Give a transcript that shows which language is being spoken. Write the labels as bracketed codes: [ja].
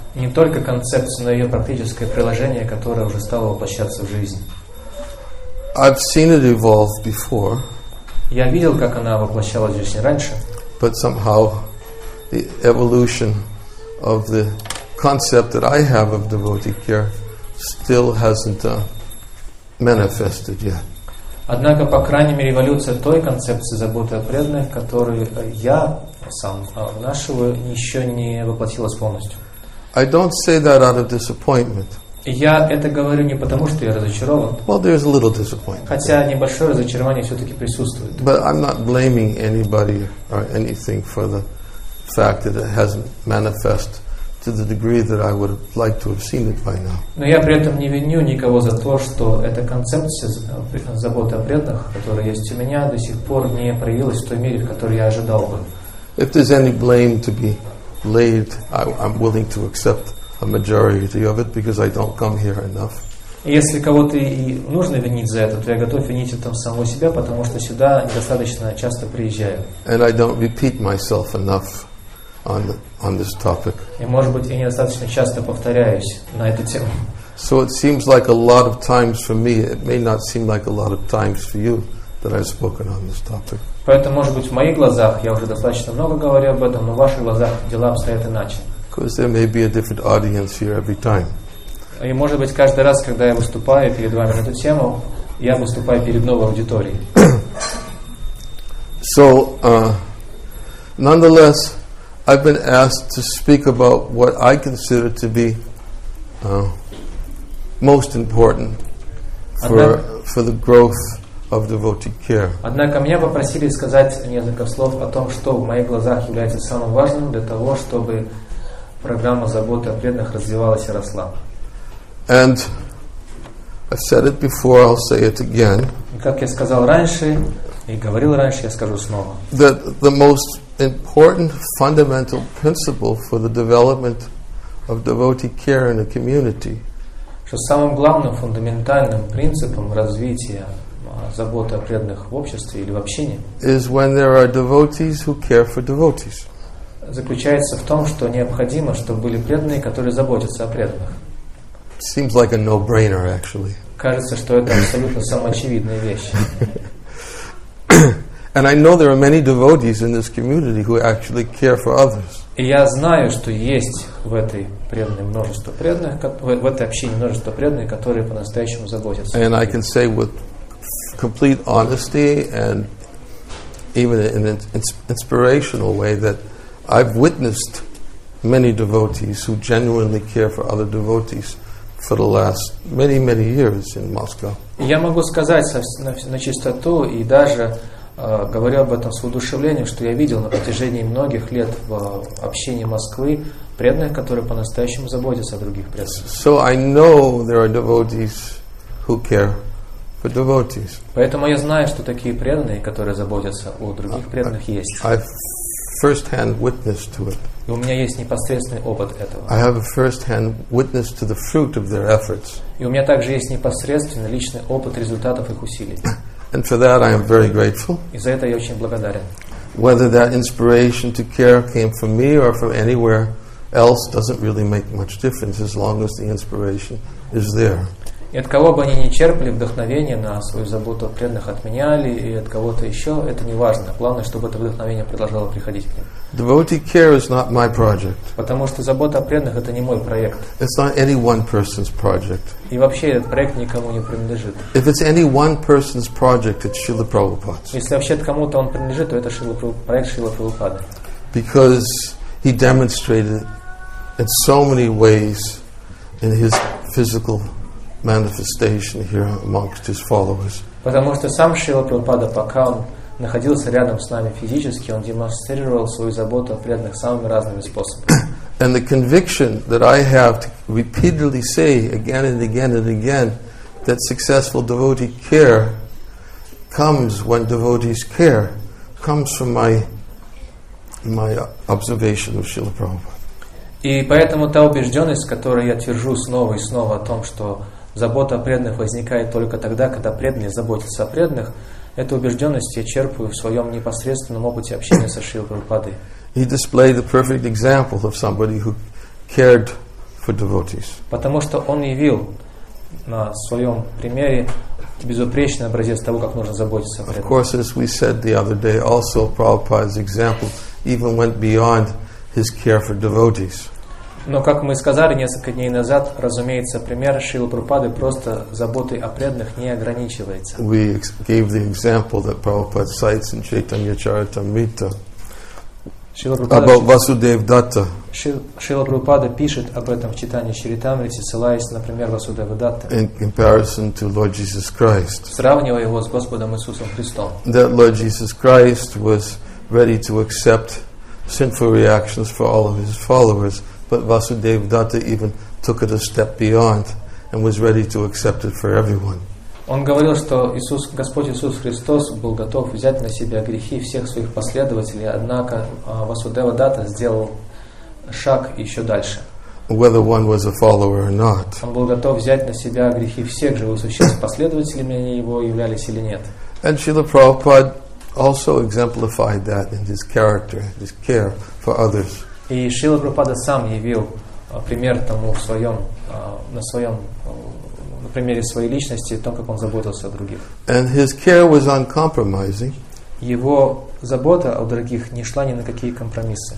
[ru] Не только концепция, но и ее практическое приложение, которое уже стало воплощаться в жизнь. [en] I've seen it evolve before. [ru] Я видел, как она воплощалась в жизни раньше. [en] But somehow, the evolution of the concept that I have of devotee care still hasn't manifested yet. [ru] Однако, по крайней мере, эволюция той концепции заботы о преданных, которую я сам нашего еще не воплотилась полностью. [en] I don't say that out of disappointment. [ru] Я это говорю не потому, что я разочарован. [en] Well, there is a little disappointment. [ru] Хотя небольшое разочарование все-таки присутствует. [en] But I'm not blaming anybody or anything for the fact that it hasn't manifested to the degree that I would have liked to have seen it by now. [ru] Но я при этом не виню никого за то, что эта концепция заботы о преданных, которая есть у меня, до сих пор не проявилась в той мере, в которой я ожидал бы. [en] If there's any blame to be laid, I'm willing to accept a majority of it because I don't come here enough. [ru] Если кого-то и нужно винить за это, то я готов винить это самого себя, потому что сюда недостаточно часто приезжаю. [en] And I don't repeat myself enough on this topic. [ru] И может быть, я недостаточно часто повторяюсь на эту тему. [en] So it seems like a lot of times for me, it may not seem like a lot of times for you that I've spoken on this topic. [ru] Поэтому, может быть, в моих глазах я уже достаточно много говорю об этом, но в ваших глазах дела обстоят иначе. [en] Because there may be a different audience here every time. [ru] И может быть каждый раз, когда я выступаю перед вами на эту тему, я выступаю перед новой аудиторией. [en] So, nonetheless, I've been asked to speak about what I consider to be most important for the growth of devotee care. [ru] Однако меня попросили сказать несколько слов о том, что в моих глазах является самым важным для того, чтобы программа заботы о преданных развивалась и росла. [en] And I've said it before, I'll say it again. [ru] И как я сказал раньше и говорил раньше, я скажу снова. [en] That the most important fundamental principle for the development of devotee care in a community. [ru] Что самым главным фундаментальным принципом развития заботы о преданных в обществе или в общине? [en] Is when there are devotees who care for devotees. [ru] Заключается в том, что необходимо, чтобы были преданные, которые заботятся о преданных. [en] Seems like a no-brainer, actually. [ru] Кажется, что это абсолютно самоочевидная вещь. [en] And I know there are many devotees in this community who actually care for others. [ru] И я знаю, что есть в этой преданной множество преданных, в этой общине множество преданных, которые по-настоящему заботятся. [en] And I can say with complete honesty and even in an inspirational way that I've witnessed many devotees who genuinely care for other devotees for the last many, many years in Moscow. [ru] Я могу сказать на чистоту и даже говорю об этом с воодушевлением, что я видел на протяжении многих лет в общине Москвы преданных, которые по-настоящему заботятся о других преданных. [en] So I know there are devotees who care for devotees. [ru] Поэтому я знаю, что такие преданные, которые заботятся о других преданных, есть. [en] First-hand witness to it. [ru] И у меня есть непосредственный опыт этого. [en] I have a first-hand witness to the fruit of their efforts. [ru] И у меня также есть непосредственный личный опыт результатов их усилий. [en] And for that I am very grateful. [ru] И за это я очень благодарен. [en] Whether that inspiration to care came from me or from anywhere else doesn't really make much difference as long as the inspiration is there. [ru] И от кого бы они ни черпали вдохновение на свою заботу о преданных, от меня ли и от кого-то еще, это не важно. Главное, чтобы это вдохновение продолжало приходить к ним. [en] Devotee care is not my project. [ru] Потому что забота о преданных — это не мой проект. [en] It's not any one person's project. [ru] И вообще этот проект никому не принадлежит. [en] If it's any one person's project, it's Srila Prabhupada's. [ru] Если вообще кому-то он принадлежит, то это проект Шрилы Прабхупады. [en] Because he demonstrated in so many ways in his physical manifestation here amongst his followers. [ru] Потому что сам Шрила Прабхупада, пока он находился рядом с нами физически, он демонстрировал свою заботу о преданных самыми разными способами. [en] And the conviction that I have to repeatedly say again and again and again that successful devotee care comes when devotees care comes from my observation of Srila Prabhupada. [ru] И поэтому та убежденность, которой я твержу снова и снова о том, что забота о преданных возникает только тогда, когда преданные заботятся о преданных, эту убежденность я черпаю в своем непосредственном опыте общения со Шрилой Прабхупадой. [en] He displayed the perfect example of somebody who cared for devotees. [ru] Потому что он явил на своем примере безупречный образец того, как нужно заботиться о преданных. [en] Of course, as we said the other day, also Prabhupada's example even went beyond his care for devotees. [ru] Но, как мы сказали несколько дней назад, разумеется, пример Шрилы Прабхупады просто заботой о преданных не ограничивается. [en] We gave the example that Prabhupada cites in Chaitanya Charitamrita about Vasudev Datta. [ru] Шрила Прабхупада пишет об этом в Читании Чаритамрите, ссылаясь, например, Васудева Датта. [en] In comparison to Lord Jesus Christ. [ru] Сравнивая его с Господом Иисусом Христом. [en] That Lord Jesus Christ was ready to accept sinful reactions for all of his followers. But Vasudeva Datta even took it a step beyond and was ready to accept it for everyone. [ru] Он говорил, что Иисус, Господь Иисус Христос был готов взять на себя грехи всех своих последователей, однако Васудева Датта сделал шаг еще дальше. [en] Whether one was a follower or not. [ru] Он был готов взять на себя грехи всех живых существ, последователями они его являлись или нет. [en] And Srila Prabhupada also exemplified that in his character, his care for others. [ru] И Шрила Прабхупада сам явил пример тому в своем, на своем, на примере своей личности, то, как он заботился о других. [en] And his care was uncompromising. [ru] Его забота о других не шла ни на какие компромиссы.